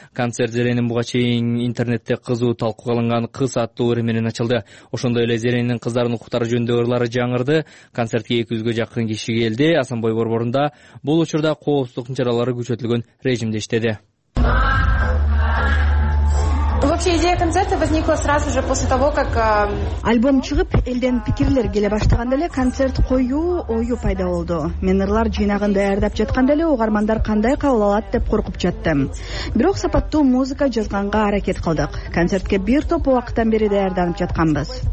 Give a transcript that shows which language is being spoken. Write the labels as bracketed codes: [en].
[ky] Концерт Зеренин буга чейин интернетте кызуу талкууга алынган Кыз аттуу ыры менен ачылды. Ошондой эле Зеренин кыздардын укуктары жөнүндө ырлары жаңырды. Концертке 200 жакын киши келди. Асанбай борборунда бул учурда коопсуздук чаралары күчөтүлгөн режимде иштеди. [ru] Вообще идея концерта возникла сразу же после того, как [ky] альбом чыгып, элден пикирлер келе баштаганда эле концерт коюу ою пайда болду. Мен ырлар жыйнагын даярдап жатканда эле угармандар кандай кабыл алат деп коркуп жаттым. Бирок сапаттуу музыка жазганга аракет кылдык. Концертке бир топ убакыттан бери даярданып жатканбыз.